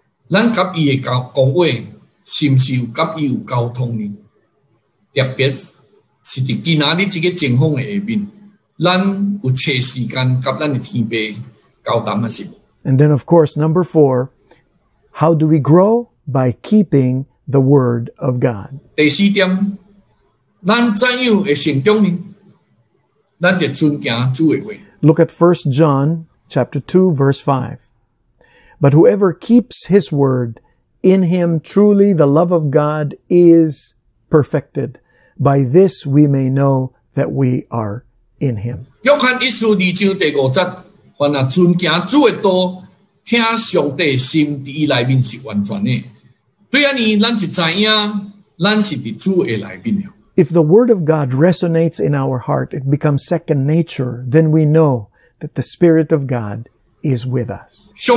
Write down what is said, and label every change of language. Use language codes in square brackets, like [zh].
[nan] 咱甲伊诶交讲话，是毋是有甲伊有沟通呢？特别是伫今仔日即个情况下面，咱有找时间甲咱诶天父交谈啊，是无？ [en] And then, of course, number four, how do we grow? By keeping the word of God. [nan] 第四点，咱怎样会成长呢？咱得遵行主诶话。 [en] Look at 1 John chapter 2, verse 5. But whoever keeps his word, in him truly the love of God is perfected. By this we may know that we are in him. [nan] 约翰一书二章第五节，凡若遵行主的道，听上帝心伫伊内面是完全的。对安尼，咱就知影，咱是伫主的内面了。 [en] If the word of God resonates in our heart, it becomes second nature, then we know that the Spirit of God is with us.